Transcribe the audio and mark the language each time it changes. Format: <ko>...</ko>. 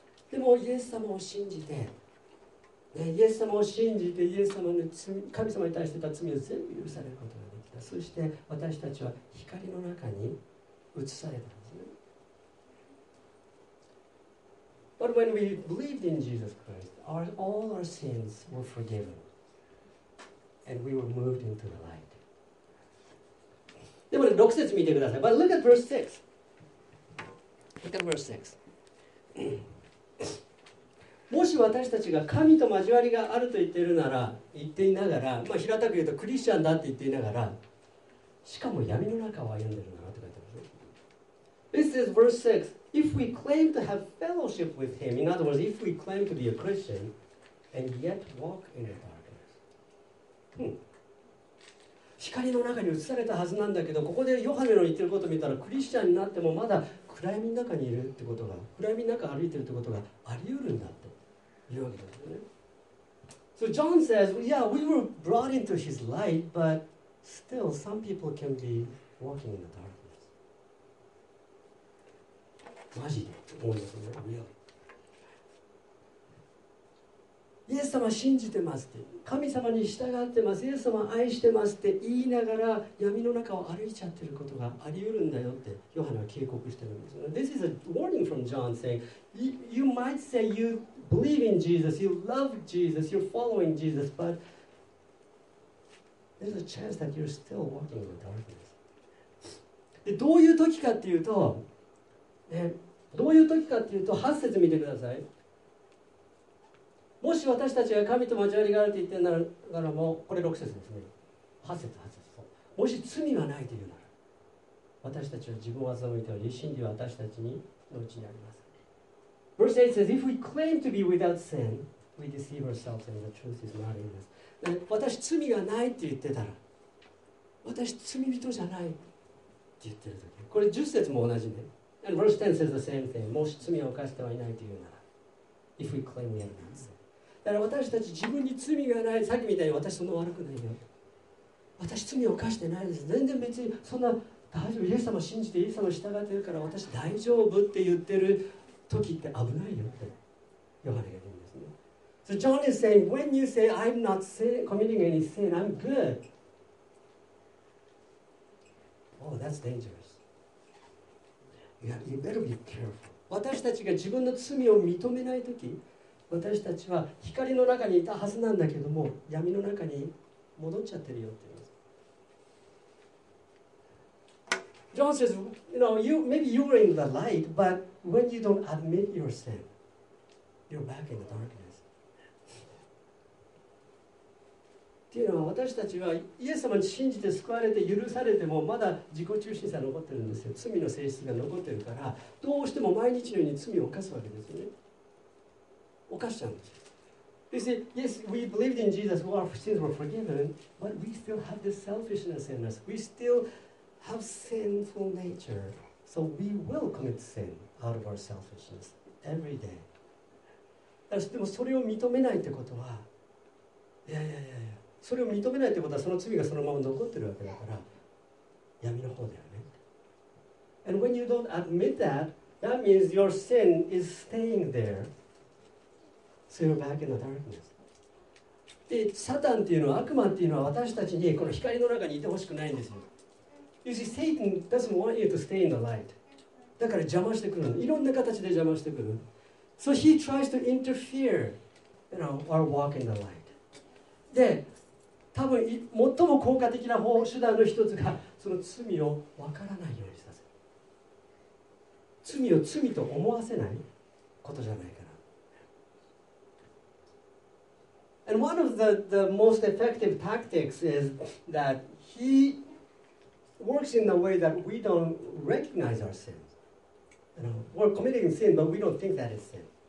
<ja>でもイエス様を信じて、ね、イエス様を信じてイエス様の罪、神様に対してた罪を全部許されることができた。そして私たちは光の中に映されたんですね。</ja> <en>But when we believed in Jesus Christ,All our sins were forgiven, and we were moved into the light.</en> <ja>でも、ね、6節見てください。</ja> <en>But look at verse 6. Look at verse 6.</en> <ja>もし私たちが神と交わりがあると言っているなら、言っていながら、まあ、平たく言うとクリスチャンだって言っていながら、しかも闇の中を歩んでいるなって書いてます。</ja> <en>This is verse 6. If we claim to have fellowship with him, in other words, if we claim to be a Christian, and yet walk in the darkness.</en> <ja>光の中に映されたはずなんだけど、ここでヨハネの言ってることを見たら、クリスチャンになってもまだ暗闇の中にいるってことが、暗闇の中歩いてるってことがあり得るんだっていうわけですよね。</ja> <en>So John says, yeah, we were brought into his light, but still some people can be walking in the darkness.</en> <ja>マジで思いますね。イエス様信じてますって、神様に従ってます、イエス様愛してますって言いながら闇の中を歩いちゃってることがあり得るんだよってヨハネは警告してるんですよ。</ja> <en>This is a warning from John saying you might say you believe in Jesus, you love Jesus, you're following Jesus, but there's a chance that you're still walking in the darkness.</en> <ja>でどういう時かっていうと、どういう時かっていうと、8節見てください。もし私たちが神と交わりがあると言ってながらも、これ6節ですね、8節、そう、もし罪はないというなら、私たちは自分を欺いており、真理は私たちにのうちにあります。</ja> <en>Verse 8 says If we claim to be without sin, we deceive ourselves and the truth is not in us.</en> <ja>私罪がないって言ってたら、私罪人じゃないって言ってる時、これ10節も同じね。</ja> <en>And verse 10 says the same thing.</en> <ja>もし罪を犯してはいないというなら、</ja> <en>If we claim we have not sinned.</en> <ja>だから私たち自分に罪がない、さっきみたいに私そんな悪くないよ、私罪を犯してないです、全然別にそんな大丈夫、イエス様信じてイエス様従ってるから私大丈夫って言ってる時って危ないよってヨハネが言うんですね。</ja> <en>So John is saying, when you say I'm not sin, committing any sin, I'm good. Oh, that's dangerous. You better be careful.</en> <ja>私たちが自分の罪を認めないとき、私たちは光の中にいたはずなんだけども、闇の中に戻っちゃってるよって言います。</ja> <en>John says, you know, maybe you were in the light, but when you don't admit your sin, you're back in the darkness.</en> <ja>っていうのは、私たちはイエス様に信じて救われて許されても、まだ自己中心さ残ってるんですよ。罪の性質が残ってるから、どうしても毎日のように罪を犯すわけですね。犯しちゃうんです。</ja> <en>You see, yes, we believed in Jesus, our sins were forgiven, but we still have this selfishness in us. We still have sinful nature. So we will commit sin out of our selfishness every day.</en> <ja>でもそれを認めないってことは、いや。それを認めないってことは、その罪がそのまま残ってるわけだから、闇の方だよね。</ja> <en>And when you don't admit that, that means your sin is staying there. So you're back in the darkness.</en> <ja>で、サタンっていうのは、悪魔っていうのは、私たちにこの光の中にいてほしくないんですよ。</ja> <en>You see, Satan doesn't want you to stay in the light.</en> <ja>だから邪魔してくる。いろんな形で邪魔してくる。</ja> <en>So he tries to interfere, you know, our walk in the light. で、</en> <ja>多分最も効果的な方手段の一つがその罪を分からないようにさせる、罪を罪と思わせないことじゃないかな。</ja> <en>And one of the most effective tactics is that he works in a way that we don't recognize our sins. We're committing sin, but we don't think that it's sin.</en>